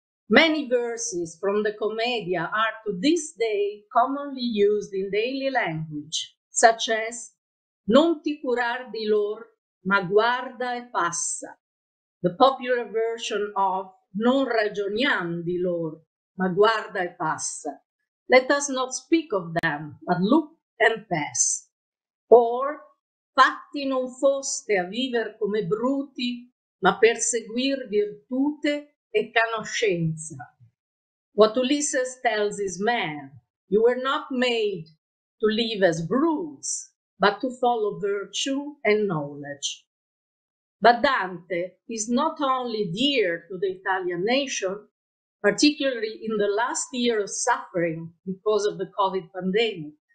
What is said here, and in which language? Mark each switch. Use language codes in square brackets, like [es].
[en] Many verses from the Commedia are to this day commonly used in daily language, such as [it] Non ti curar di lor, ma guarda e passa. [en] The popular version of [it] Non ragioniam di lor, ma guarda e passa. [en] Let us not speak of them, but look and pass. [it] Or Fatti non foste a viver come bruti, ma per seguir virtute e conoscenza. [en] What Ulysses tells his men, you were not made to live as brutes, but to follow virtue and knowledge. But Dante is not only dear to the Italian nation, particularly in the last year of suffering because of the COVID pandemic.